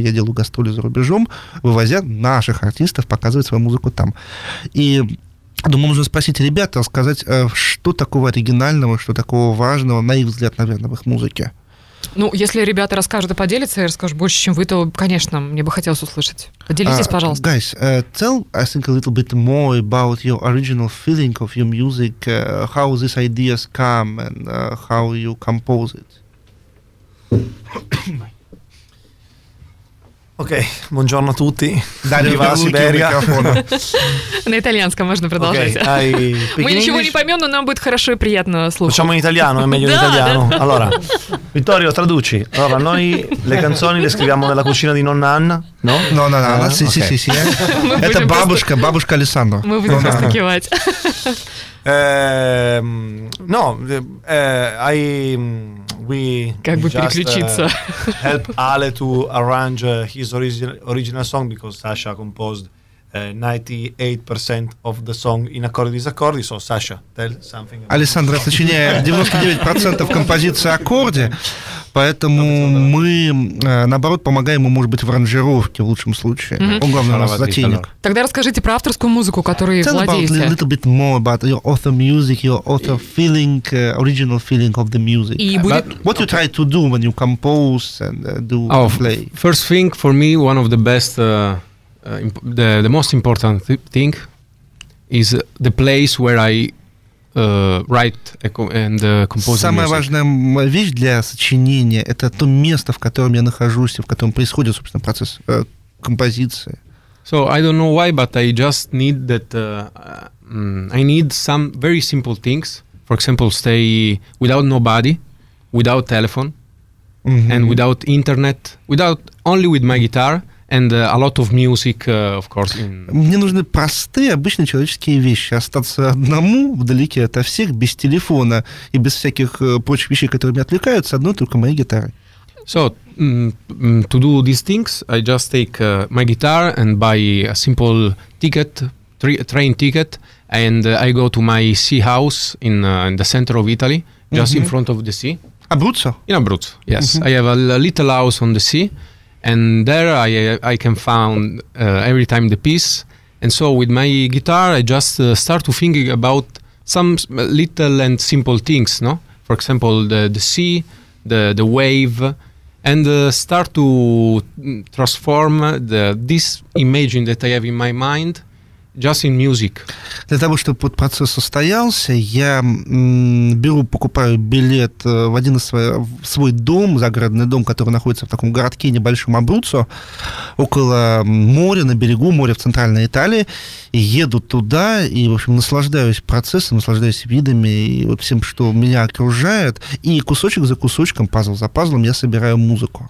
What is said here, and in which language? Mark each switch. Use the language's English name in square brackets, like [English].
[Russian] Я делаю гастроли за рубежом, вывозя наших артистов, показывая свою музыку там. И думаю, нужно спросить ребят, сказать, что такого оригинального, что такого важного, на их взгляд, наверное, в их музыке. Ну, если ребята расскажут и поделятся, я расскажу больше, чем вы, то, конечно, мне бы хотелось услышать. Поделитесь, пожалуйста. [English] Guys, tell us a little bit more about your original feeling of your music, how these ideas come and how you compose it. [Italian] Ok, buongiorno a tutti. Dai, va a Siberia. [Russian] На итальянском можно продолжать. [English] Okay. [Russian] Мы ничего не поймем, но нам будет хорошо и приятно слушать. [Italian] Facciamo in italiano, è meglio in italiano. Allora, Vittorio, traduci. Allora, noi le canzoni le scriviamo nella cucina di nonna Anna, no? No, no, no, no. Sì, okay. Sì, sì, sì. [Russian] Это бабушка, бабушка Александра. Мы будем просто кивать. [English] No, I... [Russian] Как бы переключиться. [English] Help Ale to arrange his original song because Sasha composed 98% of the song in accordi disaccordi. So Sasha, tell something. [Russian] Александра сочиняет 99% композиции аккорде, поэтому мы наоборот помогаем ему, может быть, в аранжировке в лучшем случае. Mm-hmm. Он главный у нас затейник. Тогда расскажите про авторскую музыку, которой [English] tell [Russian] владеете. [English] Tell about a little bit more about your author music, your author feeling, original feeling of the music. What you try to do when you compose and play? First thing for me, one of the best. The most important thing is the place where I write and compose [Russian] самая [English] music. [Russian] Важная вещь для сочинения — это то место, в котором я нахожусь, в котором происходит, собственно, процесс композиции. [English] So I don't know why, but I just need that. I need some very simple things. For example, stay without nobody, without telephone, mm-hmm. and without internet, without only with my guitar. And a lot of music, of course. [Russian] Мне нужны простые, обычные человеческие вещи. Остаться одному, вдалеке от всех, без телефона и без всяких прочих вещей, которые меня отвлекают, с одной только моей гитарой. [English] So, to do these things, I just take my guitar and buy a simple ticket, train ticket, and I go to my sea house in the center of Italy, just mm-hmm. in front of the sea. Abruzzo? In Abruzzo, yes. Mm-hmm. I have a little house on the sea. And there I can find every time the piece. And so with my guitar, I just start to thinking about some little and simple things, no? For example, the sea, the wave, and start to transform this imaging that I have in my mind just in music. [Russian] Для того, чтобы вот процесс состоялся, я покупаю билет в один из свой дом, загородный дом, который находится в таком городке небольшом Абруццо, около моря, на берегу моря в центральной Италии, и еду туда, и, в общем, наслаждаюсь процессом, наслаждаюсь видами и вот всем, что меня окружает, и кусочек за кусочком, пазл за пазлом я собираю музыку.